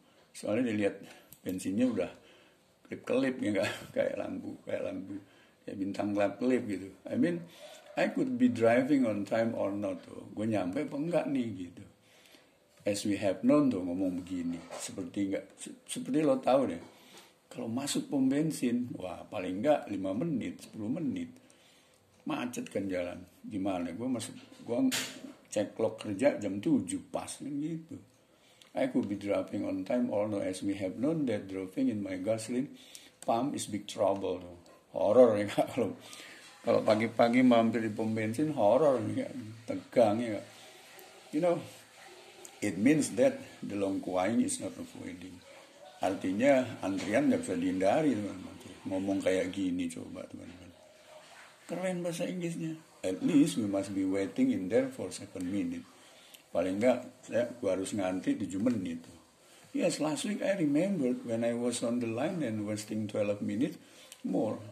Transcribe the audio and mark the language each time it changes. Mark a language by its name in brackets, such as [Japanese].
[Indonesian] Soalnya dia lihat bensinnya udah kelip-kelip ya gak? Kayak lampu. Kayak bintang kelap-kelip gitu. [English] I mean, I could be driving on time or not tuh. [Indonesian] Gue nyampe apa enggak nih gitu. [English] As we have known [Indonesian] tuh ngomong begini. Seperti lo tahu deh. Kalau masuk pom bensin, wah paling enggak 5 menit, 10 menit. Macet kan jalan. Gimana? Gue masuk, gue cek log kerja jam 7 pas kan gitu. [English] I could be driving on time, although as we have known that driving in my gasoline pump is big trouble. [Indonesian] Horor ya kalau kalau pagi-pagi mampir di pom bensin, horor ya, tegang ya. [English] You know, it means that the long queuing is not avoiding. [Indonesian] Artinya antrian nggak bisa dihindari, teman-teman. Ngomong kayak gini coba, teman-teman. Keren bahasa Inggrisnya. [English] At least we must be waiting in there for 7 minutes. [Indonesian] Paling enggak saya gua harus ngantri 7 menit itu. [English] Yes, last week I remembered when I was on the line and wasting 12 minutes more.